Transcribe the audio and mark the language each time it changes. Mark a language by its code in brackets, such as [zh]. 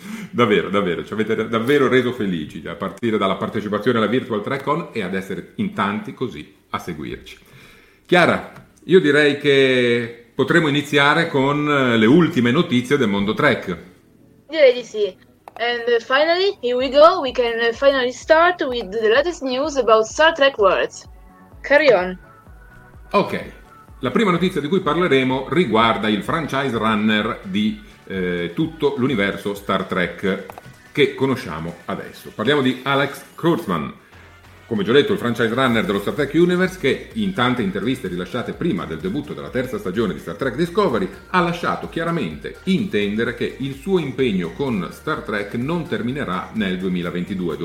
[it] davvero, ci avete davvero reso felici a partire dalla partecipazione alla Virtual Trekcon e ad essere in tanti così a seguirci. Chiara, io direi che potremo iniziare con le ultime notizie del mondo Trek. Direi di sì. [en] And finally, here we go, we can finally start with the latest news about Star Trek Worlds. Carry on. [it] Ok, la prima notizia di cui parleremo riguarda il franchise runner di tutto l'universo Star Trek che conosciamo adesso. Parliamo di Alex Kurtzman, come già detto il franchise runner dello Star Trek Universe, che in tante interviste rilasciate prima del debutto della terza stagione di Star Trek Discovery ha lasciato chiaramente intendere che il suo impegno con Star Trek non terminerà nel 2022.